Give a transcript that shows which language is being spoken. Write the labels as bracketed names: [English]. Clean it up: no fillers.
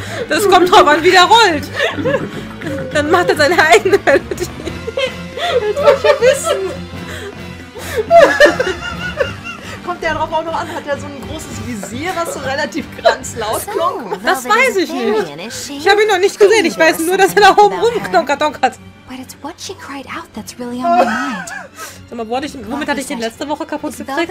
[German] Das kommt drauf an, wie der rollt. Dann macht er seine eigene Melodie. Das wollte ich ja wissen. Kommt der drauf auch noch an? Hat der so ein großes Visier, was so relativ ganz laut klonk? Das weiß ich nicht. Ich habe ihn noch nicht gesehen. Ich weiß nur, dass er da oben rumklonkert. [English] But it's what she cried out that's really on my mind. [German] Sag mal, womit hatte ich den letzte Woche kaputt gekriegt?